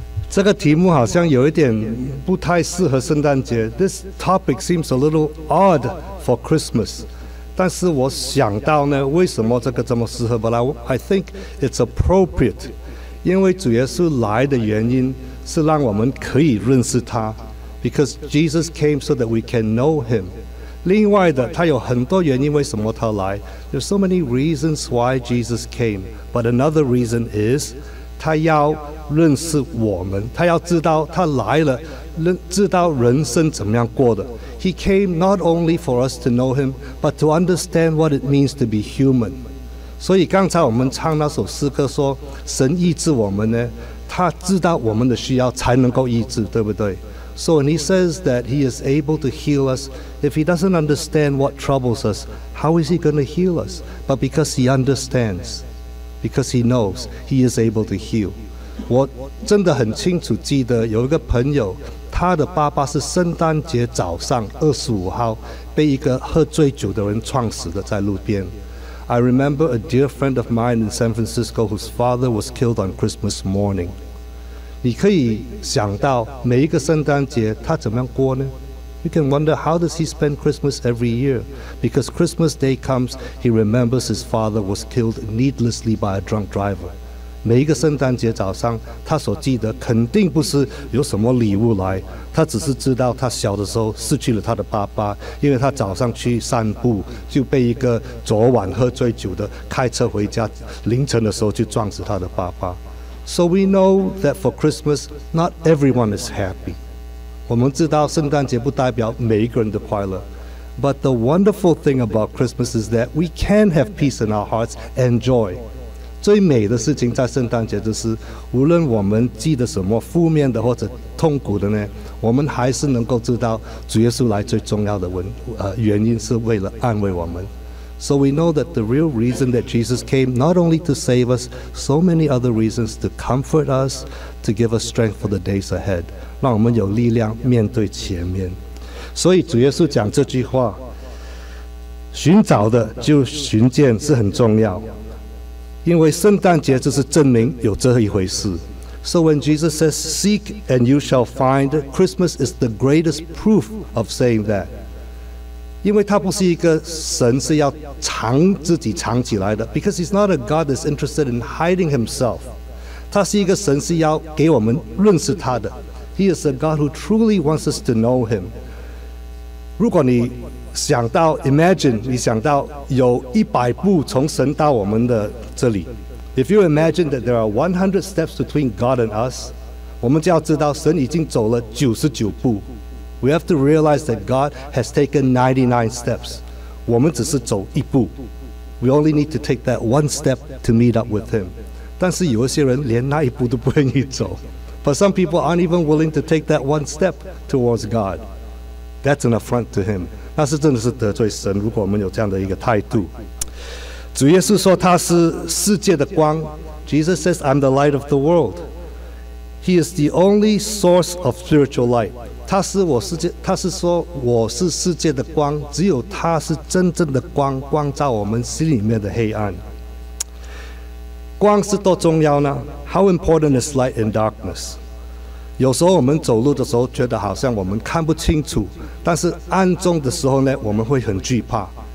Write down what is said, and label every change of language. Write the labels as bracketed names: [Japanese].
[Chinese] 这个题目好像有一点不太适合圣诞节。 [English] This topic seems a little odd for Christmas。 [Chinese] 但是我想到呢，为什么这个这么适合 ？ [English] But I think it's appropriate， [Chinese] 因为主耶稣来的原因是让我们可以认识他。 [English] Because Jesus came so that we can know him。 [Chinese] 另外的，他有很多原因为什么他来。 [English] There's so many reasons why Jesus came， but another reason is， [Chinese] 他要认识我们，他要知道他来了，知道人生怎么样过的。 [English] He came not only for us to know him， but to understand what it means to be human。 [Chinese] 所以刚才我们唱那首诗歌说，神医治我们呢，他知道我们的需要才能够医治，对不对？ [English] So when he says that he is able to heal us, if he doesn't understand what troubles us, how is he going to heal us? But because he understands, because he knows, he is able to heal. [Chinese] 我真的很清楚记得有一个朋友，他的爸爸是圣诞节早上25号被一个喝醉酒的人撞死的在路边。 [English] I remember a dear friend of mine in San Francisco whose father was killed on Christmas morning. [Chinese] 你可以想到每一个圣诞节他怎么样过呢？ [English] You can wonder how does he spend Christmas every year? Because Christmas day comes, he remembers his father was killed needlessly by a drunk driver. [Chinese] 每一个圣诞节早上他所记得肯定不是有什么礼物来，他只是知道他小的时候失去了他的爸爸，因为他早上去散步就被一个昨晚喝醉酒的开车回家凌晨的时候就撞死他的爸爸。 [English] So we know that for Christmas, not everyone is happy. [Chinese] 我们知道圣诞节不代表每一个人的快乐。 [English] But the wonderful thing about Christmas is that we can have peace in our hearts and joy. [Chinese] 最美的事情在圣诞节就是，无论我们记得什么负面的或者痛苦的呢，我们还是能够知道主耶稣来最重要的原因是为了安慰我们。 [English] So we know that the real reason that Jesus came, not only to save us, so many other reasons to comfort us, to give us strength for the days ahead. [Chinese] 让我们有力量面对前面。所以主耶稣讲这句话，寻找的就寻见是很重要，因为圣诞节就是证明有这一回事。 [English] So when Jesus says, seek and you shall find, Christmas is the greatest proof of saying that. [Chinese] 因为他不是一个神是要藏自己藏起来的 [English] because he's not a God that's interested in hiding himself 他是一个神是要给我们认识他的 he is a God who truly wants us to know him [Chinese] 如果你想到 imagine 你想到有100步从神到我们的这里 [English] if you imagine that there are 100 steps between God and us [Chinese] 我们就要知道神已经走了99步 [English] We have to realize that God has taken 99 steps. [Chinese] 我们只是走一步。 [English] We only need to take that one step to meet up with him. [Chinese] 但是有一些人连那一步都不愿意走。 [English] But some people aren't even willing to take that one step towards God. That's an affront to him. [Chinese] 那是真的是得罪神，如果我们有这样的一个态度。主耶稣说他是世界的光。 [English] Jesus says, I'm the light of the world. He is the only source of spiritual light. [Chinese] 他是说我是世界的光，只有他是真正的光，光照我们心里面的黑暗。光是多重要呢 [English] ？How important is light in darkness？ [Chinese] 有时候我们走路的时候觉得好像我们看不清楚，但是暗中的时候呢，我们会很惧怕。